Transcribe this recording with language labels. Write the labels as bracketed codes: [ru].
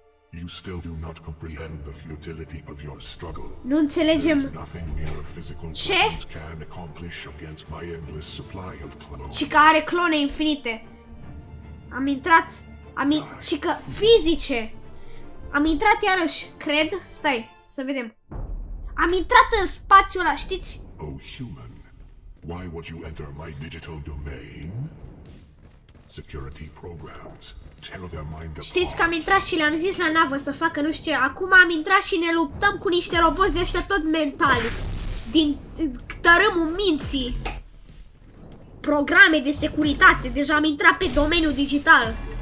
[en] You still do not comprehend the futility of your struggle. [ro] Nu înțelegem. [en] There is nothing mere physical weapons can accomplish against my endless supply of clones. [ro] Și că are clone infinite. Am intrat. Și că fizice. Am intrat iarăși, cred. Stai, să vedem. Am intrat în spațiul ăla, știți? [en] Oh, human. Why would you enter my digital domain? Security programs. Tell their mind apart. [ro] Știți că am intrat și le-am zis la navă să facă nu știu ce. Acum am intrat și ne luptăm cu niște roboți de ăștia tot mentali. Din tărâmul minții. Programe de securitate. Deja am intrat pe domeniul digital.